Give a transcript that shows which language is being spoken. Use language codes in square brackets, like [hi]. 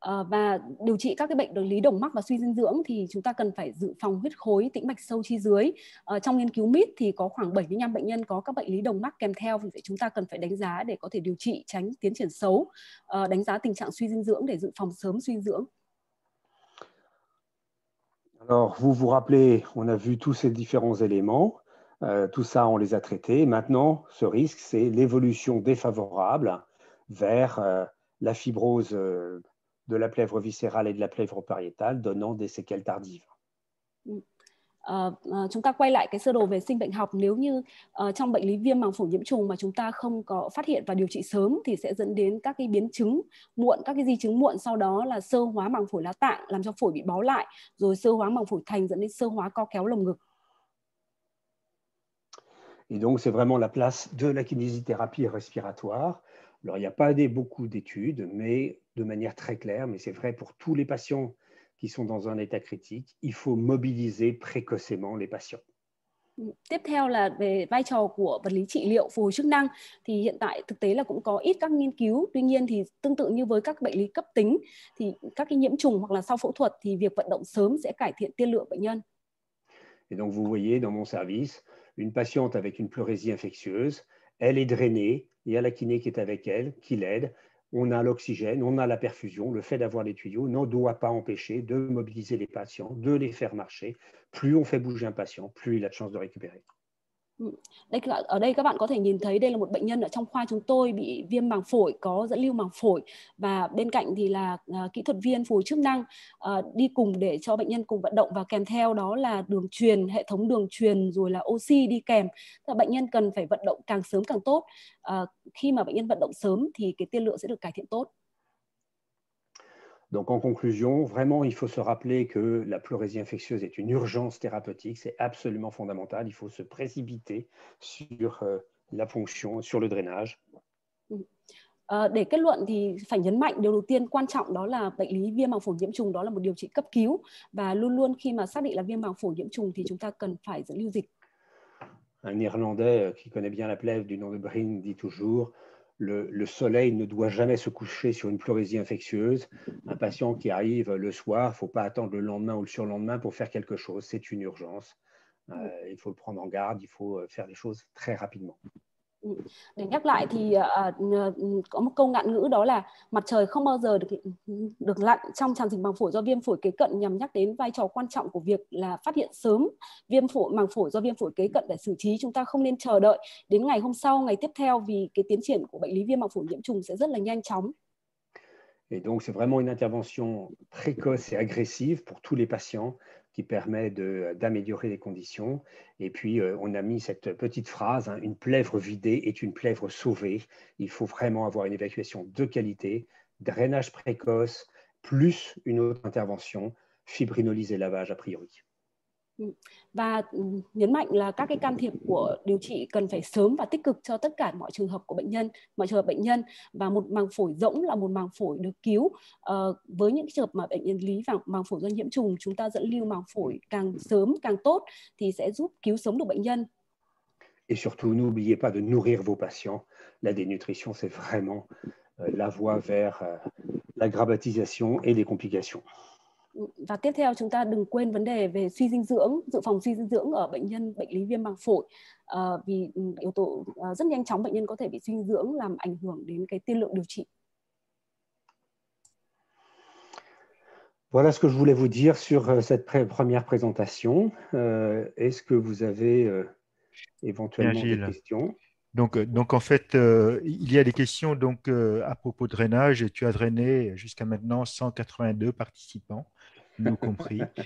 [vi] Và điều trị các cái bệnh lý đồng mắc và suy dinh dưỡng thì chúng ta cần phải dự phòng huyết khối tĩnh mạch sâu chi dưới. Trong nghiên cứu MIT thì có khoảng 75 bệnh nhân có các bệnh lý đồng mắc kèm theo, vì vậy chúng ta cần phải đánh giá để có thể điều trị tránh tiến triển xấu, đánh giá tình trạng suy dinh dưỡng để dự phòng sớm suy dinh dưỡng. [fr] Alors, vous vous rappelez, on a vu tous ces différents éléments, tout ça, on les a traités. Maintenant, ce risque, c'est l'évolution défavorable vers la fibrose de la plèvre viscérale et de la plèvre pariétale donnant des séquelles tardives. [vi] Chúng ta quay lại cái sơ đồ về sinh bệnh học. Nếu như trong bệnh lý viêm màng phổi nhiễm trùng mà chúng ta không có phát hiện và điều trị sớm thì sẽ dẫn đến các cái biến chứng muộn, các cái di chứng muộn, sau đó là sơ hóa màng phổi lá tạng làm cho phổi bị bó lại, rồi sơ hóa màng phổi thành dẫn đến sơ hóa co kéo lồng ngực. [fr] Et donc c'est vraiment la place de la kinésithérapie respiratoire. Alors il n'y a pas beaucoup d'études, mais de manière très claire, mais c'est vrai pour tous les patients qui sont dans un état critique, il faut mobiliser précocement les patients. [vi] Tiếp theo là về vai trò của vật lý trị liệu phù hồi chức năng. Thì hiện tại thực tế là cũng có ít các nghiên cứu, tuy nhiên thì tương tự như với các bệnh lý cấp tính, thì các cái nhiễm trùng hoặc là sau phẫu thuật thì việc vận động sớm sẽ cải thiện tiên lượng bệnh nhân. [fr] Et donc vous voyez dans mon service, une patiente avec une pleurésie infectieuse, elle est drainée, il y a la kiné qui est avec elle, qui l'aide, on a l'oxygène, on a la perfusion, le fait d'avoir les tuyaux n'en doit pas empêcher de mobiliser les patients, de les faire marcher. Plus on fait bouger un patient, plus il a de chances de récupérer. [vi] Đây, ở đây các bạn có thể nhìn thấy đây là một bệnh nhân ở trong khoa chúng tôi bị viêm màng phổi, có dẫn lưu màng phổi, và bên cạnh thì là kỹ thuật viên phù hồi chức năng đi cùng để cho bệnh nhân cùng vận động, và kèm theo đó là đường truyền, hệ thống đường truyền rồi là oxy đi kèm. Thế bệnh nhân cần phải vận động càng sớm càng tốt. Khi mà bệnh nhân vận động sớm thì cái tiên lượng sẽ được cải thiện tốt. [fr] Donc en conclusion, vraiment, il faut se rappeler que la pleurésie infectieuse est une urgence thérapeutique, c'est absolument fondamental, il faut se précipiter sur la ponction, sur le drainage. [vi] Để kết luận thì phải nhấn mạnh điều đầu tiên quan trọng đó là bệnh lý viêm màng phổi nhiễm trùng đó là một điều trị cấp cứu, và luôn luôn khi mà xác định là viêm màng phổi nhiễm trùng thì chúng ta cần phải dẫn lưu dịch. [fr] Un Irlandais qui connaît bien la plèvre du nom de Brin dit toujours: Le soleil ne doit jamais se coucher sur une pleurésie infectieuse. Un patient qui arrive le soir, il ne faut pas attendre le lendemain ou le surlendemain pour faire quelque chose. C'est une urgence. Il faut le prendre en garde. Il faut faire les choses très rapidement. [vi] Để nhắc lại thì có một câu ngạn ngữ đó là mặt trời không bao giờ được lặn trong tràn dịch màng phổi do viêm phổi kế cận, nhằm nhắc đến vai trò quan trọng của việc là phát hiện sớm viêm phổi màng phổi do viêm phổi kế cận để xử trí. Chúng ta không nên chờ đợi đến ngày hôm sau, ngày tiếp theo, vì cái tiến triển của bệnh lý viêm màng phổi nhiễm trùng sẽ rất là nhanh chóng. [fr] Et donc c'est vraiment une intervention précoce et agressive pour tous les patients qui permet d'améliorer les conditions. Et puis, on a mis cette petite phrase, hein, une plèvre vidée est une plèvre sauvée. Il faut vraiment avoir une évacuation de qualité, drainage précoce, plus une autre intervention, fibrinolyse et lavage a priori. [vi] Và nhấn mạnh là các cái can thiệp của điều trị cần phải sớm và tích cực cho tất cả mọi trường hợp của bệnh nhân, mọi trường hợp bệnh nhân, và một màng phổi rỗng là một màng phổi được cứu. Với những trường hợp mà bệnh nhân lý và màng phổi do nhiễm trùng, chúng ta dẫn lưu màng phổi càng sớm càng tốt thì sẽ giúp cứu sống được bệnh nhân. [fr] Et surtout n'oubliez pas de nourrir vos patients. La dénutrition c'est vraiment la voie vers la gravatisation et les complications. [vi] Và tiếp theo chúng ta đừng quên vấn đề về suy dinh dưỡng, dự phòng suy dinh dưỡng ở bệnh nhân bệnh lý viêm màng phổi, vì yếu tố rất nhanh chóng bệnh nhân có thể bị suy dinh dưỡng làm ảnh hưởng đến cái tiên lượng điều trị. [fr] Voilà ce que je voulais vous dire sur cette première présentation. Est-ce que vous avez éventuellement des questions? Donc en fait, il y a des questions donc à propos de drainage. Tu as drainé jusqu'à maintenant 182 participants, nous compris.